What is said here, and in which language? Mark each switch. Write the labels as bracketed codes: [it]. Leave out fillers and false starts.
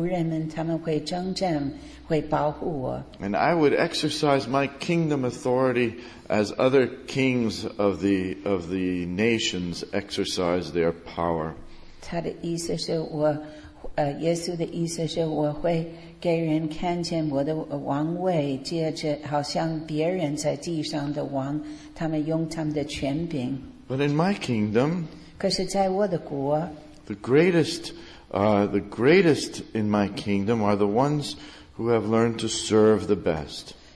[zh] 国是属于地上我的仆人们他们会征战会保护我 [en] And I would exercise my kingdom authority as other kings of the nations exercise their power. [zh] 他的意思是我耶稣的意思是我会给人看见我的王位接着好像别人在地上的王他们用他们的权柄 [en] But in my kingdom [zh] 可是在我的国, [en] the greatest in my kingdom are the ones who have learned to serve the best.